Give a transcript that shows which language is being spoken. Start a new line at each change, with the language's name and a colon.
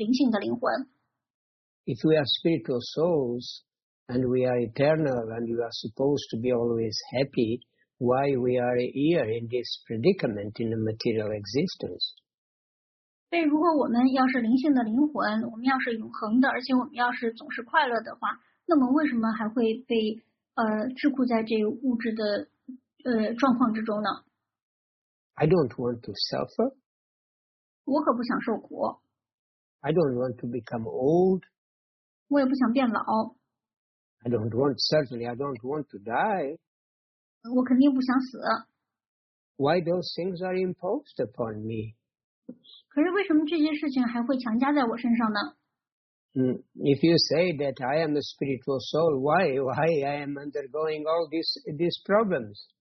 Chinese: 所以为什么他们就很难去相信我们是灵性的灵魂？If
English: we are spiritual souls and we are eternal and we are supposed to be always happy, why we are here in this predicament in a material existence?
Chinese: 所以如果我们要是灵性的灵魂，我们要是永恒的，而且我们要是总是快乐的话，那么为什么还会被桎梏在这物质的状况之中呢？
English: I don't want to suffer.
Chinese: 我可不想受苦。
English: I don't want to become old.
Chinese: 我也不想变老。
English: I don't want to die.
Chinese: 我肯定不想死。
English: Why those things are imposed upon me?
Chinese: 可是为什么这些事情还会强加在我身上呢？
English: If you say that I am a spiritual soul, why I am undergoing all these problems?